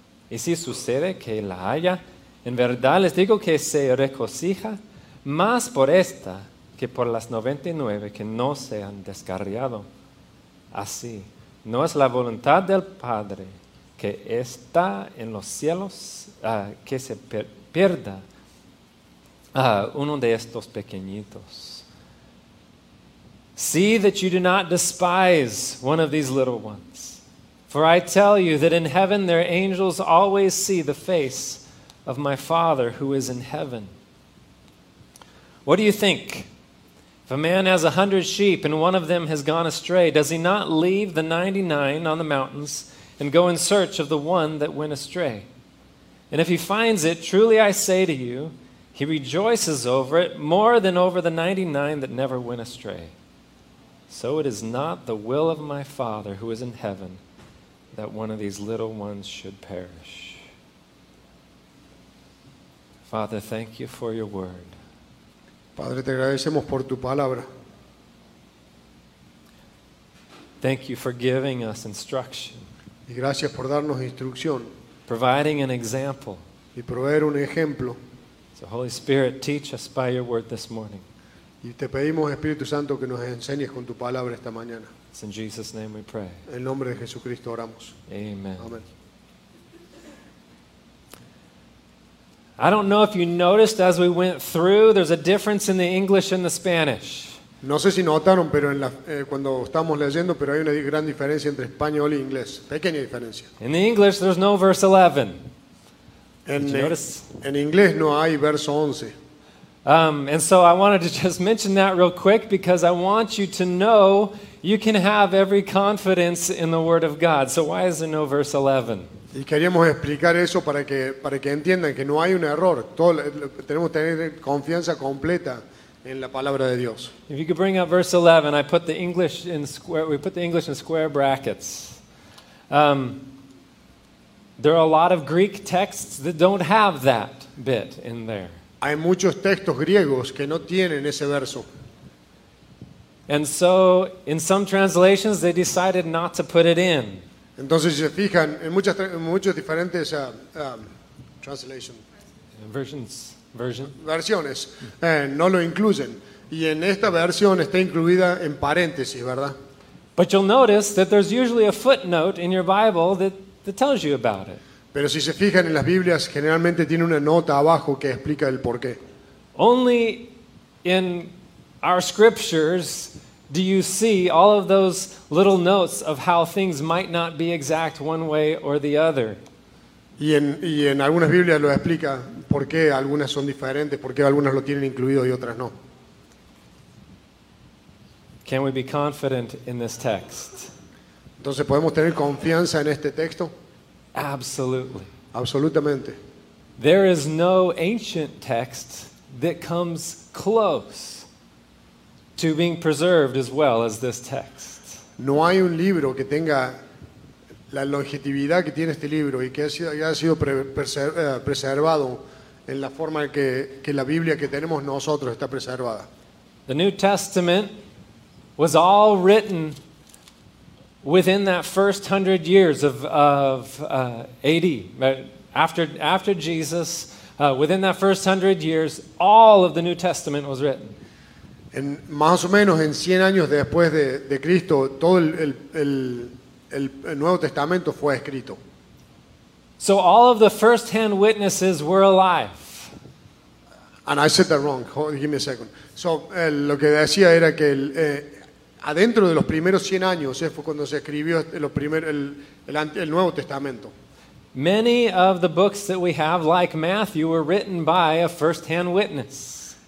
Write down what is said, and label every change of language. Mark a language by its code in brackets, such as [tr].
[es] Y si sucede que la haya, en verdad les digo que se regocija más por esta que por las 99 que no se han descarriado. Así, no es la voluntad del Padre que está en los cielos que se pierda uno de estos pequeñitos. [en] See that you do not despise one of these little ones. For I tell you that in heaven their angels always see the face of my Father who is in heaven. What do you think? If a man has 100 sheep and one of them has gone astray, does he not leave the 99 on the mountains and go in search of the one that went astray? And if he finds it, truly I say to you, he rejoices over it more than over the 99 that never went astray. So it is not the will of my Father who is in heaven that one of these little ones should perish. Father, thank you for your word. [es] Padre, te agradecemos por tu palabra. [en] Thank you for giving us instruction. [es] Y gracias por darnos instrucción. [en] Providing an example. [es] Y proveer un ejemplo. [en] So Holy Spirit, teach us by your word this morning. [es] Y te pedimos, Espíritu Santo, que nos enseñes con tu palabra esta mañana. [en] It's in Jesus' name we pray. [es] En nombre de Jesucristo oramos. [en] Amen. Amen. I don't know if you noticed as we went through, there's a difference in the English and the Spanish. [es] No sé si notaron, pero en la, cuando estábamos leyendo, pero hay una gran diferencia entre español y inglés. Pequeña diferencia. [en] In the English, there's no verse 11. [es] En inglés no hay verso 11. [en] And so I wanted to just mention that real quick because I want you to know you can have every confidence in the Word of God. So why is there no verse 11? [es] Y queríamos explicar eso para que entiendan que no hay un error. Tenemos que tener confianza completa en la palabra de Dios. [en] If you could bring up verse 11, I put the English in square. We put the English in square brackets. There are a lot of Greek texts that don't have that bit in there. [es] Hay muchos textos griegos que no tienen ese verso. [en] And so, in some translations, they decided not to put it in. [es] Entonces, si se fijan, en muchos diferentes versiones, no lo incluyen. Y en esta versión está incluida en paréntesis, ¿verdad? [en] But you'll notice that there's usually a footnote in your Bible that tells you about it. [es] Pero si se fijan, en las Biblias generalmente tiene una nota abajo que explica el porqué. [en] Only in our scriptures do you see all of those little notes of how things might not be exact one way or the other? [es] Y en algunas Biblias lo explica por qué algunas son diferentes, por qué algunas lo tienen incluido y otras no. [en] Can we be confident in this text? [es] Entonces, ¿podemos tener confianza en este texto? [en] Absolutely. [es] Absolutamente. [en] There is no ancient text that comes close to being preserved as well as this text. [es] No hay un libro que tenga la longevidad que tiene este libro y que haya sido preservado en la forma que la Biblia que tenemos nosotros está preservada. [en] The New Testament was all written within that first 100 years of AD, after Jesus, within that first 100 years, all of the New Testament was written. [es] En más o menos en 100 años después de Cristo, todo el Nuevo Testamento fue escrito. [en] So all of the first-hand witnesses were alive. And I said that wrong. Hold, give me a second. [es] So, lo que decía era que el, adentro de los primeros 100 años fue cuando se escribió lo primer, el Nuevo Testamento. [en] Many of the books that we have, like Matthew, were written by a first-hand witness.